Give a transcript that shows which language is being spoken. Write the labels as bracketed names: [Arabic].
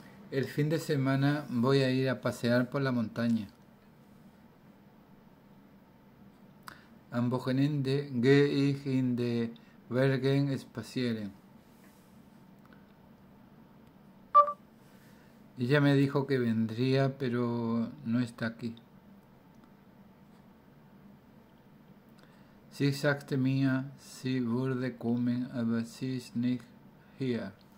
[Spanish] El fin de semana voy a ir a pasear por la montaña. [German] Am Wochenende gehe ich in de Bergen spazieren. [Spanish] Ella me dijo que vendría, pero no está aquí. [German] Sie sagte mir, sie würde kommen, aber sie ist nicht hier.